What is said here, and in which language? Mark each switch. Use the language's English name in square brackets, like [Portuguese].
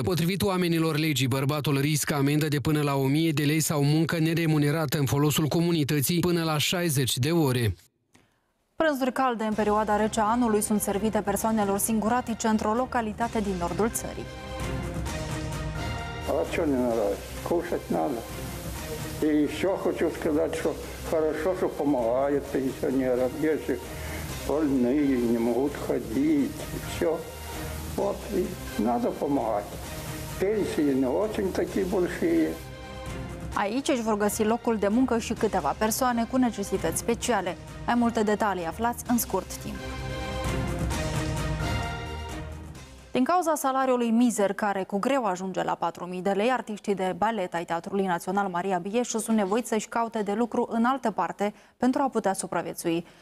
[Romanian] Potrivit oamenilor legii, bărbatul riscă amendă de până la 1000 de lei sau muncă neremunerată în folosul comunității până la 60 de ore. Prânzuri calde în perioada rece a anului sunt servite persoanelor singuratice într-o localitate din nordul țării. [Russian] А что не надо? Кушать надо. И еще хочу сказать, что хорошо, что помогают пенсионерам. Если больные не могут ходить, все. Вот, и надо помогать. Пенсии не очень такие большие. [Romanian] Aici își vor găsi locul de muncă și câteva persoane cu necesități speciale. Mai multe detalii aflați în scurt timp. Din cauza salariului mizer, care cu greu ajunge la 4.000 de lei, artiștii de balet ai Teatrului Național Maria Bieșu sunt nevoiți să-și caute de lucru în altă parte pentru a putea supraviețui.